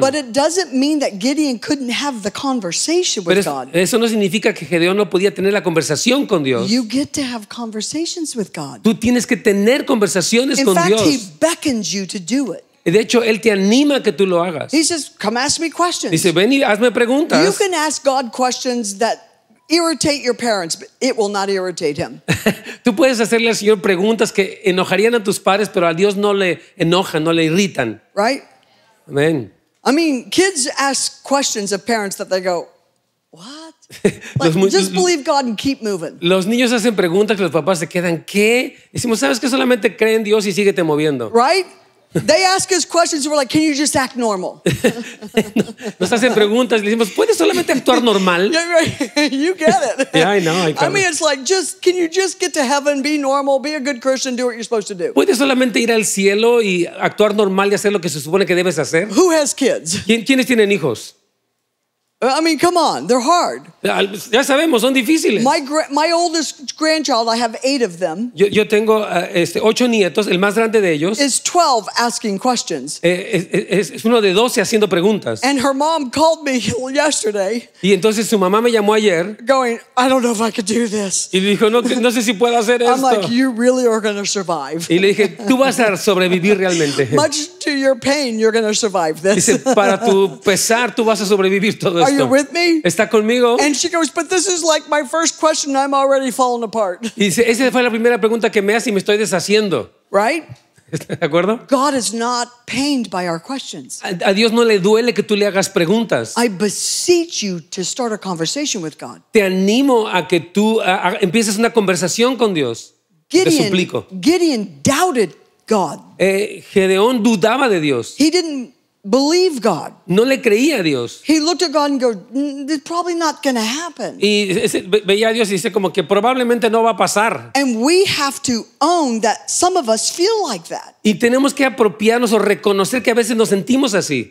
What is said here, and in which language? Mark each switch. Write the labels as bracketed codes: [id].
[en] But it doesn't mean that Gideon couldn't have the conversation with God. [es] Eso no significa que Gedeón no podía tener la conversación con Dios. [en] You get to have conversations with God. [es] Tú tienes que tener conversaciones con Dios. [en] In fact, he beckons you to do it. [es] De hecho, él te anima a que tú lo hagas. [en] He says, "Come ask me questions." [es] Dice, ven y hazme preguntas. [en] You can ask God questions that irritate your parents, but it will not irritate him. [es] Tú puedes hacerle al Señor preguntas que enojarían a tus padres, pero a Dios no le enojan, no le irritan. [en] Right? Amen. I mean, kids ask questions of parents that they go, "What?" just believe God and keep moving. [es] Los niños hacen preguntas que los papás se quedan, ¿qué? Decimos, ¿sabes que solamente cree en Dios y síguete moviendo? [en] Right? They ask us questions and we're like, can you just act normal? [es] Nos hacen preguntas y le decimos, ¿puedes solamente actuar normal? [en] You get it. Yeah, I know. I mean, it's like, just can you just get to heaven, be normal, be a good Christian, do what you're supposed to do? [es] ¿Puedes solamente ir al cielo y actuar normal y hacer lo que se supone que debes hacer? [en] Who has kids? [es] ¿Quiénes tienen hijos? [en] I mean, come on, they're hard. [es] Ya sabemos, son difíciles. [en] My oldest grandchild, I have 8 of them. [es] Yo tengo 8 nietos, el más grande de ellos. [en] Is 12 asking questions. [es] Es uno de 12 haciendo preguntas. [en] And her mom called me yesterday. [es] Y entonces su mamá me llamó ayer. [en] Going, I don't know if I could do this. [es] Y dijo, no sé si puedo hacer esto. [en] I'm like, you really are going to survive. [es] Y le dije, tú vas a sobrevivir realmente. [en] Much to your pain, you're going to survive this. [es] Dice, para tu pesar, tú vas a sobrevivir todo. [en] Are you with me? [es] ¿Está conmigo? [en] And she goes, but this is like my first question. I'm already falling apart. [es] Y dice, esa fue la primera pregunta que me hace y me estoy deshaciendo. [en] Right? [es] ¿De acuerdo? [en] God is not pained by our questions. [es] A Dios no le duele que tú le hagas preguntas. [en] I beseech you to start a conversation with God. [es] Te animo a que tú empieces una conversación con Dios. [en] Gideon, [es] te suplico. [en] Gideon doubted God. [es] Gedeón dudaba de Dios. [en] He didn't believe God. [es] No le creía a Dios. [en] He looked at God and go, it's probably not going to happen. [es] Y veía a Dios y dice como que probablemente no va a pasar. [en] And we have to own that some of us feel like that. [es] Y tenemos que apropiarnos o reconocer que a veces nos sentimos así.